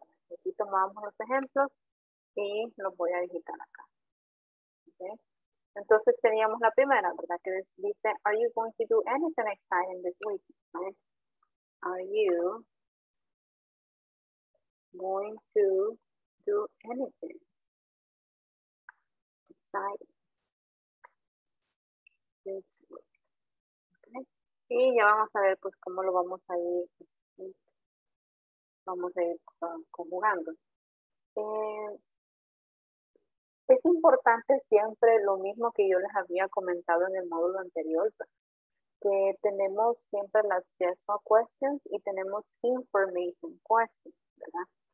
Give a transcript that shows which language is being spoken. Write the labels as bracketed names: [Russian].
[Spanish] Aquí tomamos los ejemplos y los voy a digitar acá. Okay. Entonces teníamos la primera, ¿verdad? Que dice, [English] are you going to do anything exciting this week? Okay. Are you going to do anything exciting this week? Okay. [Spanish] Y ya vamos a ver pues cómo lo vamos a ir. Vamos a ir conjugando. Es importante siempre lo mismo que yo les había comentado en el módulo anterior, que tenemos siempre las yes or questions y tenemos information questions, ¿verdad?